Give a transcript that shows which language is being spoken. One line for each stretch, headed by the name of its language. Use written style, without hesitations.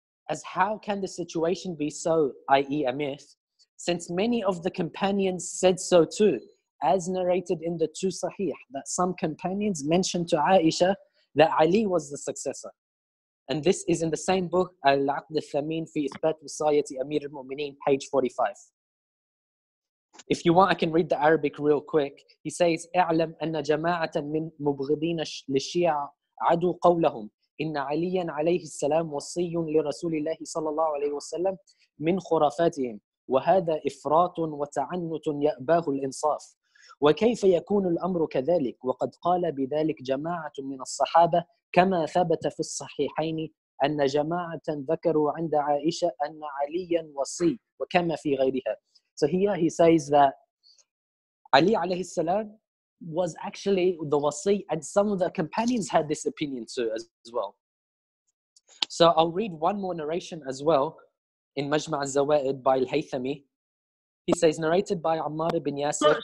English: As how can the situation be so, i.e. a myth, since many of the companions said so too, as narrated in the two Sahih, that some companions mentioned to Aisha that Ali was the successor. And this is in the same book, Al-Aqd al-Thamin fi Ithbat Wasayati Amir al-Mu'mineen, page 45. If you want, I can read the Arabic real quick. He says,
Arabic: اعلم أن جماعة من مبغضين للشيعة عدو قولهم إن علي عليه السلام وصي لرسول الله صلى الله عليه وسلم من خرافاتهم وهذا إفراط وتعنت يأباه الإنصاف وكيف يكون الأمر كذلك وقد قال بذلك جماعة من الصحابة كما ثبت في الصحيحين أن جماعة ذكروا عند عائشة أن عليا وصي وكما في غيرها.
English: So here he says that Ali عليه السلام was actually the wasi, and some of the companions had this opinion too as well. So I'll read one more narration as well in Majma' al-Zawaid by al-Haythami. He says, narrated by Ammar ibn Yasir.